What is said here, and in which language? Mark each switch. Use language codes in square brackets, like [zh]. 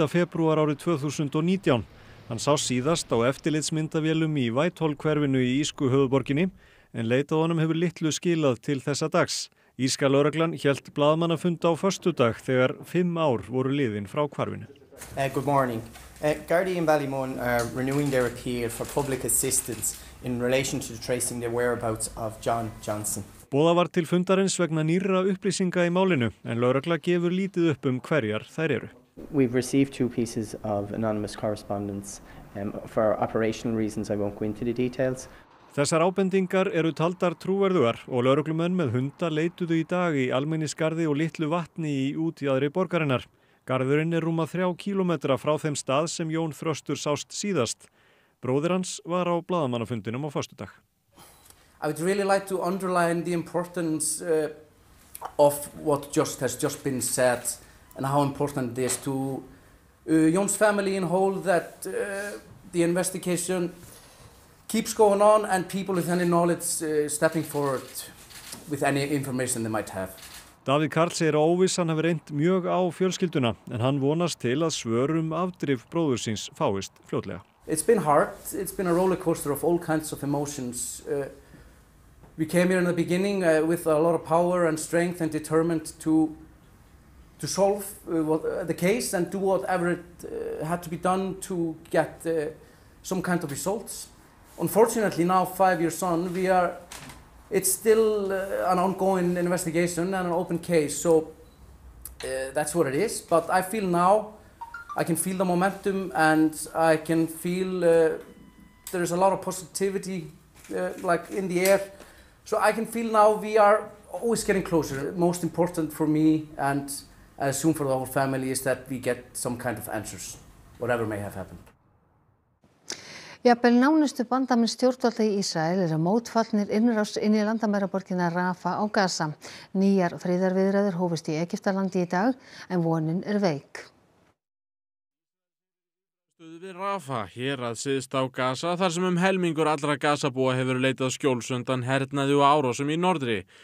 [is] febrúar árið 2019. Hann sá síðast á eftirlitsmyndavélum í Whitehall-hverfinu í írsku höfuðborginni en leitað honum hefur litlu skilað til þessa dags. Írska lögreglan hélt blaðamannafund á föstudag þegar 5 ár voru liðin frá hvarfinu. [en] Good morning. Gardaí and Ballymun are renewing their appeal for public assistance in relation to tracing the whereabouts of John Johnson. [is] Boða var til fundarins vegna nýrra upplýsinga í málinu, en lögregla gefur lítið upp hverjar þær eru. [en] We've received 2 pieces of anonymous correspondence for operational reasons I won't go into the details. [is] Þessar ábendingar eru taldar trúverðugar og lögreglumenn með hunda leituðu í dag í almenningsgarði og litlu vatni í útjaðri borgarinnar. Garðurinn er rúma 3 kílómetra frá þeim stað sem Jón Þröstur sást síðast. Bróðir hans var á blaðamannafundinum á föstudag. [en] I would really like to underline the importance of what just has just been said and how important this to Jón's family in whole that the investigation keeps going on and people with any knowledge stepping forward with any information they might have. [is] David Karl segir að óvissan hafi reynt mjög á fjölskylduna en hann vonast til að svörum afdrif bróður síns fáist fljótlega. [en] It's been hard, it's been a roller coaster of all kinds of emotions. We came here in the beginning with a lot of power and strength and determined to solve the case and do whatever it had to be done to get some kind of results. Unfortunately, now 5 years on, it's still an ongoing investigation and an open case, so that's what it is. But I feel now, I can feel the momentum and I can feel there's a lot of positivity like in the air. So I can feel now we are always getting closer. Most important for me and I assume for the whole family is that we get some kind of answers, whatever may have happened. [is] Jafnvel nánustu bandamenn stjórnvalda í Ísrael eru mótfallnir innrás inn í landamæraborgina Rafa á Gaza. Nýjar friðarviðræður hófust í Egyptalandi í dag, en vonin veik. Stöðu við Rafa, hér að syðst á Gaza, þar sem helmingur allra Gaza-búa hefur leitað skjólsundan hernaði og árásum í norðri.